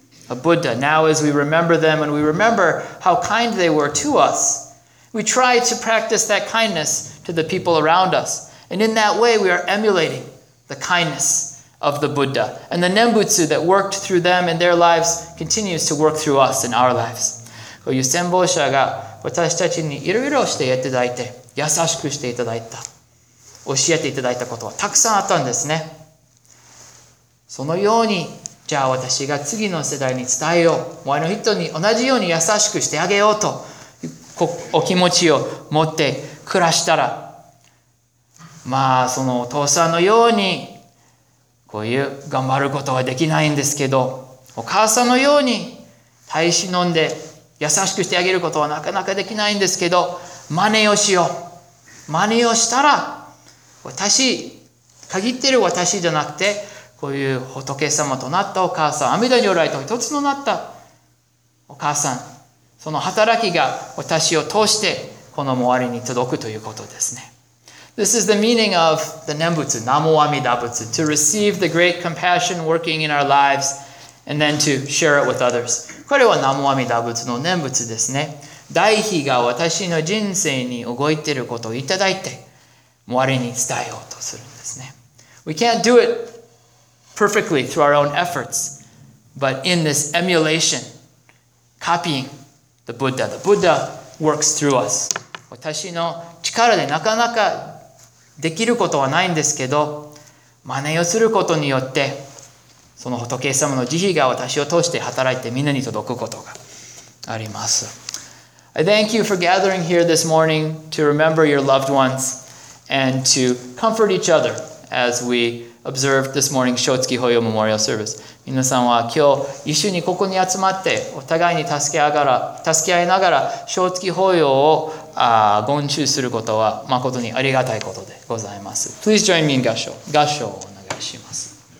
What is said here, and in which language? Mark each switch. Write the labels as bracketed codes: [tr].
[en] A Buddha, now as we remember them and we remember how kind they were to us, we try to practice that kindness to the people around us. And in that way, we are emulating the kindness of the Buddha. And the Nembutsu that worked through them in their lives continues to work through us in our lives. [ja] こういう先方者が私たちにいろいろしてやっていただいて、優しくしていただいた、教えていただいたことはたくさんあったんですね。そのように、じゃあ私が次の世代に伝えよう。前の人に同じように優しくしてあげようと、お気持ちを持って暮らしたら、まあそのお父さんのように、こういう頑張ることはできないんですけど、お母さんのように耐え忍んで優しくしてあげることはなかなかできないんですけど、真似をしよう。真似をしたら、私、限ってる私じゃなくて、こういう仏様となったお母さん、阿弥陀如来と一つとなったお母さん、その働きが私を通してこの周りに届くということですね。 [en] This is the meaning of the Nembutsu, Namo Amida Butsu, to receive the great compassion working in our lives and then to share it with others. [ja] これは Namo Amida Butsu の念仏ですね。大悲が私の人生に動いていることをいただいて、周りに伝えようとするんですね。 [en] We can't do it perfectly through our own efforts, but in this emulation, copying the Buddha works through us. [ja] 私の力でなかなかできることはないんですけど、真似をすることによって、その仏様の慈悲が私を通して働いてみんなに届くことがあります。 [en] I thank you for gathering here this morning to remember your loved ones and to comfort each other as we observe this morning's Shotsuki Hoyo Memorial Service. [ja] 皆さんは今日一緒にここに集まって、お互いに助け合いながら、Shotsuki Hoyo を言衆することは誠にありがたいことでございます。 [en] Please join me in 合唱。 [ja] 合唱をお願いします。